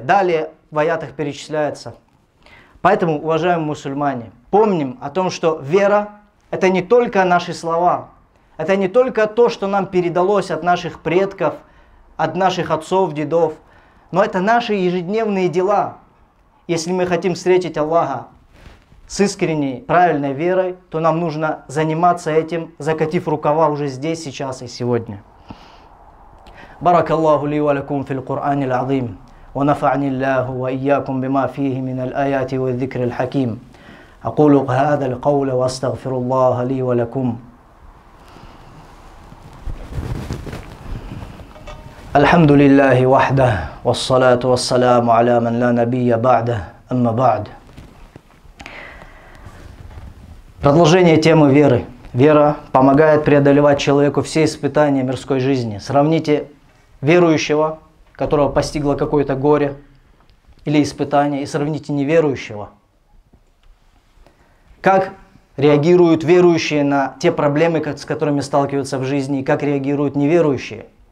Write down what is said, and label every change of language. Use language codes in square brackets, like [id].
[ru] Далее в аятах перечисляется. Поэтому, уважаемые мусульмане, помним о том, что вера – это не только наши слова, это не только то, что нам передалось от наших предков, от наших отцов, дедов, но это наши ежедневные дела. Если мы хотим встретить Аллаха с искренней, правильной верой, то нам нужно заниматься этим, закатив рукава уже здесь, сейчас и сегодня. [ar] بارك الله لي ولكم في القرآن العظيم ونفعني الله وإياكم بما فيه من الآيات والذكر الحكيم أقول هذا القول وأستغفر الله لي ولكم الحمد لله وحده والصلاة والسلام على من لا نبي بعده أما بعد. [ru] Продолжение темы веры. Вера помогает преодолевать человеку все испытания мирской жизни. Сравните верующего, которого постигло какое-то горе или испытание, и сравните неверующего. Как реагируют верующие на те проблемы, с которыми сталкиваются в жизни, и как реагируют неверующие.